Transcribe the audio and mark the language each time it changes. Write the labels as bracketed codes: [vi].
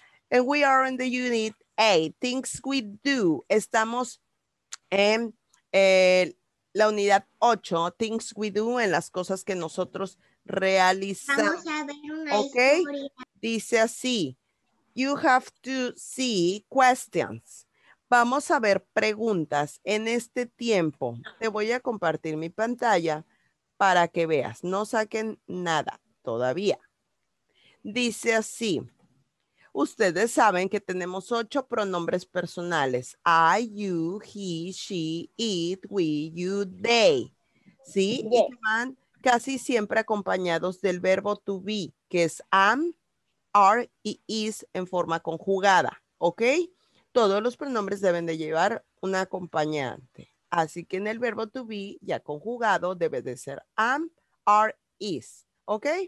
[en] And we are in the unit 8, Things We Do. [es] Estamos en la unidad 8, Things We Do, en las cosas que nosotros realizamos. Vamos a ver una historia. Dice así, you have to see questions. Vamos a ver preguntas en este tiempo. Te voy a compartir mi pantalla para que veas. No saquen nada todavía. Dice así. Ustedes saben que tenemos 8 pronombres personales. [en] I, you, he, she, it, we, you, they. [es] ¿Sí? [en] Yes. [es] Y van casi siempre acompañados del verbo to be, que es am, are y is en forma conjugada. ¿Ok? Todos los pronombres deben de llevar un acompañante. Así que en el verbo to be, ya conjugado, debe de ser am, are, is. ¿Ok?